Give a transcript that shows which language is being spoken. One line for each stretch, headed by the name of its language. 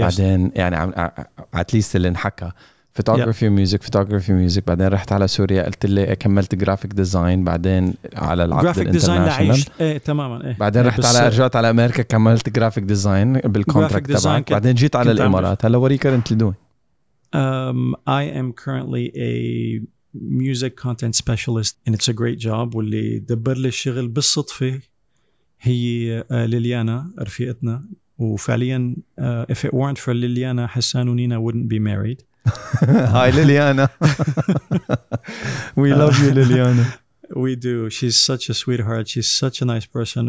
Arabic: بعدين يعني
English: at least
Arabic: اللي انحكى
English: photography music, photography music.
Arabic: بعدين رحت على سوريا قلت لي أكملت graphic design. بعدين على العقد graphic design لعيش. إيه تماماً. إيه. بعدين رحت على رجعت على أمريكا كملت graphic design بالcontract تبعك. بعدين جيت على الإمارات. هلا
English: what are you currently doing? I am currently a music content specialist and it's a great job.
Arabic: واللي دبر لي الشغل بالصدفة هي ليليانا رفيقتنا، وفعليا
English: if it weren't for
Arabic: ليليانا حسان ونينا
English: wouldn't be married. Hi Liliana. We love you Liliana. We do. She's such a sweetheart. She's such a nice person.